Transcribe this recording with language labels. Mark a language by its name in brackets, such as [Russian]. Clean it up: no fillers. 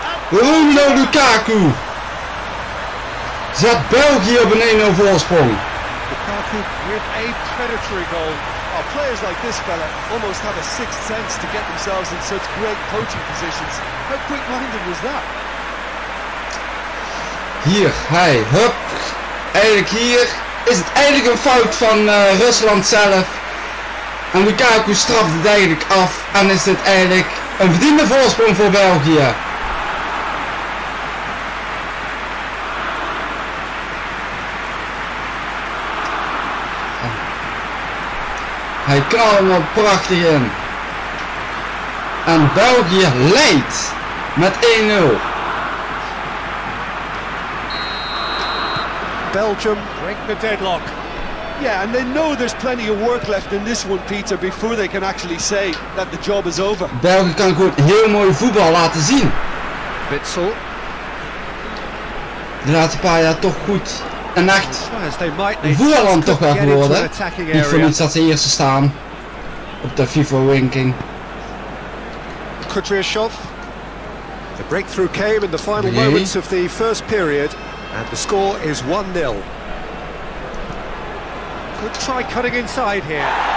[Dutch] Romelu Lukaku. Zet België op een 1-0 voorsprong. [English] Lukaku with a predatory goal. Our players like this fella almost have a sixth sense to get themselves in such great coaching positions. How quick-minded was that? [Dutch] Hier, hij, hup. Eigenlijk hier is het eigenlijk een fout van Rusland zelf. En Lukaku straft het eigenlijk af. En is dit eigenlijk een verdiende voorsprong voor België. Hij knalt hem prachtig in. En België leidt met 1-0. [English] Belgium break the deadlock. Yeah, and they know there's plenty of work left in this one, Peter, before they can actually say that the job is over. [Dutch] België kan gewoon heel mooi voetbal laten zien. Witsel. De laatste paar jaar toch goed. En echt. Voetballand toch wel geworden. Niet voor niets dat ze eerst staan op de FIFA ranking. Kutryashov. [English] breakthrough came in the final moments of the first period, and the score is 1-0. Good try cutting inside here.